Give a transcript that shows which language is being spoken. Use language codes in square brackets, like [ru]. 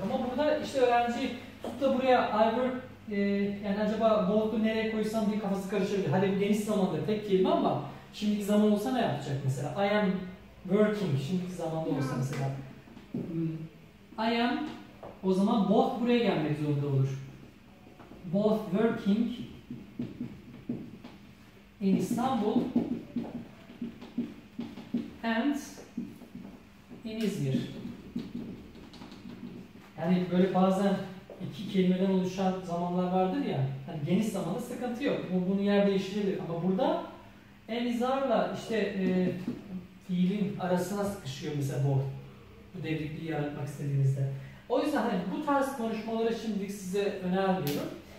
[tr] Ama burada işte öğrenci tut da buraya [en] I work [tr] yani acaba both'u nereye koysam diye kafası karışabilir. Hadi bu geniş zamanda tek kelime ama şimdiki zaman olsa ne yapacak mesela? [en] I am working [tr] şimdiki zamanda olsa mesela. [en] I am [tr] o zaman both buraya gelmek zorunda olur. [en] Both working in İstanbul and in İzmir. [tr] Yani böyle bazen iki kelimeden oluşan zamanlar vardır ya, hani geniş zamanda sıkıntı yok. Bunu yer değiştirebilir ama burada en izarla işte fiilin arasına sıkışıyor mesela bu. Bu devrikliği yaratmak istediğinizde. O yüzden hani bu tarz konuşmaları şimdilik size önermiyorum.